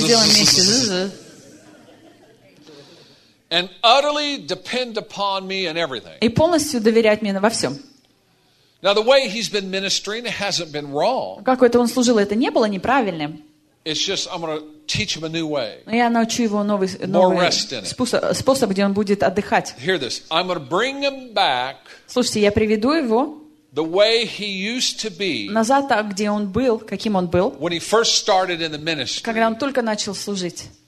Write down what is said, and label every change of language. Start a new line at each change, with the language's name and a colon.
Russian: Давайте сделаем вместе.
English: And utterly depend upon me and everything.
Russian: И полностью доверять мне во всем.
English: Now the way he's been ministering hasn't been wrong.
Russian: Как это он служил, это не было неправильным.
English: It's just I'm going to teach him a new way.
Russian: Я научу его новый способ, где он будет отдыхать.
English: Hear this. I'm going to bring him back.
Russian: Слушайте, я приведу его.
English: The way he used to be.
Russian: Назад так, где он был, каким он был.
English: When he first started in the ministry.
Russian: Когда он только начал служить.